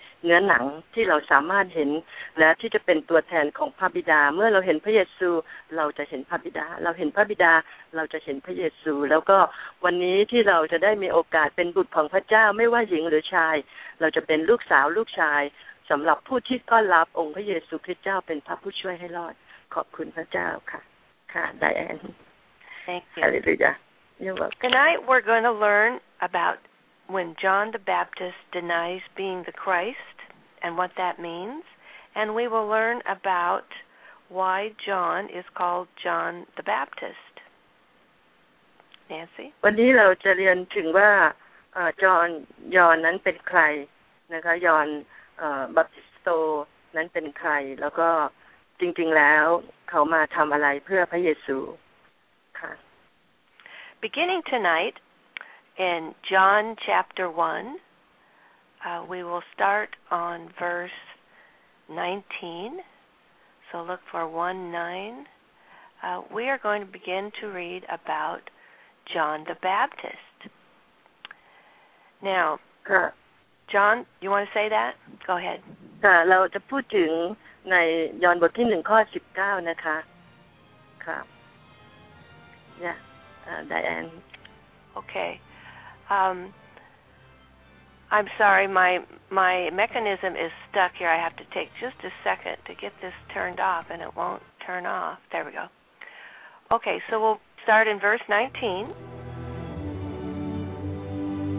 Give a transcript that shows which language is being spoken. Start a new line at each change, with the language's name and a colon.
Thai: เนื้อหนังที่เราสามารถเห็นและที่จะเป็นตัวแทนของพระบิดาเมื่อเราเห็นพระเยซูเราจะเห็นพระบิดาเราเห็นพระบิดาเราจะเห็นพระเยซูแล้วก็วันนี้ที่เราจะได้มีโอกาสเป็นบุตรของพระเจ้าไม่ว่าหญิงหรือชายเราจะเป็นลูกสาวลูกชายสำหรับผู้ที่ต้อนรับองค์พระเยซูคริสต์เจ้าเป็นพระผู้ช่วยให้รอดขอบคุณพระเจ้าค่ะค่ะไดแอน
English: Thank you Hallelujah You're welcome Tonight we're going to learn about when John the Baptist denies being the Christ and what that means and we will learn about why John is called John the Baptist Nancy
Thai: วันนี้เราจะเรียนถึงว่าจอห์นนั้นเป็นใครนะคะจอห์นบัพติสโตนั้นเป็นใครแล้วก็จริงๆแล้วเขามาทำอะไรเพื่อพระเยซูค่ะ
English: Beginning tonight in John chapter 1 we will start on verse 19 so look for 1:9 we are going to begin to read about John the Baptist Now John, you want to say that? Go ahead.
Thai: ค่ะเราจะพูดถึงในยอห์นบทที่1ข้อ19นะคะครับ Yeah, Diane.
English: Okay. I'm sorry, my mechanism is stuck here. I have to take just a second to get this turned off, and it won't turn off. There we go. Okay, so we'll start in verse 19.